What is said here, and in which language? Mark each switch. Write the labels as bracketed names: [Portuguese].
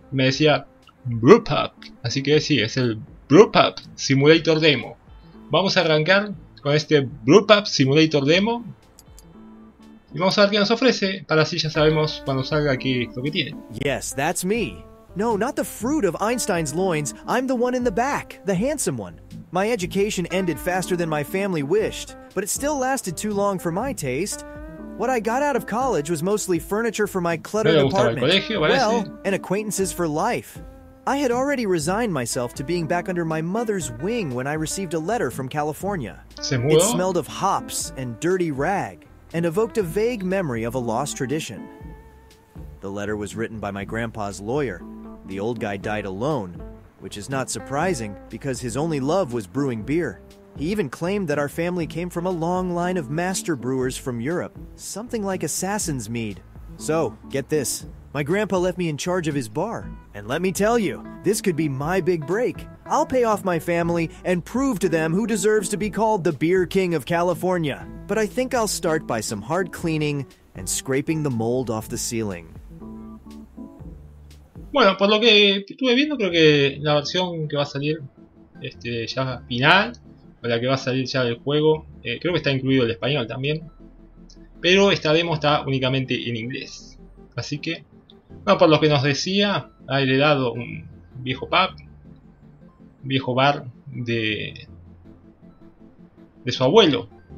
[Spanish] Me decía Brewpub, así que sí, es el Brewpub Simulator Demo. Vamos a arrancar con este Brewpub Simulator Demo y vamos a ver qué nos ofrece, para así ya sabemos cuando salga aquí lo que tiene. [English] Yes, that's me. No, not the fruit of Einstein's loins. I'm the one in the back, the handsome one. My education ended faster than my family wished, but it still lasted too long for my taste. What I got out of college was mostly furniture for my cluttered apartment. Well, and acquaintances for life. I had already resigned myself to being back under my mother's wing when I received a letter from California. It smelled of hops and dirty rag, and evoked a vague memory of a lost tradition. The letter was written by my grandpa's lawyer. The old guy died alone, which is not surprising because his only love was brewing beer. He even claimed that our family came from a long line of master brewers from Europe, something like Assassin's Mead. So, get this. My grandpa left me in charge of his bar. And let me tell you, this could be my big break. I'll pay off my family and prove to them who deserves to be called the Beer King of California. But I think I'll start by some hard cleaning and scraping the mold off the ceiling. [Spanish] Bueno, por lo que estuve viendo, creo que la versión que va a salir ya final, o la que va a salir ya del juego, creo que está incluido el español también. Pero esta demo está únicamente en inglés. Así que, bueno, por lo que nos decía, ha heredado un viejo pub, un viejo bar de su abuelo.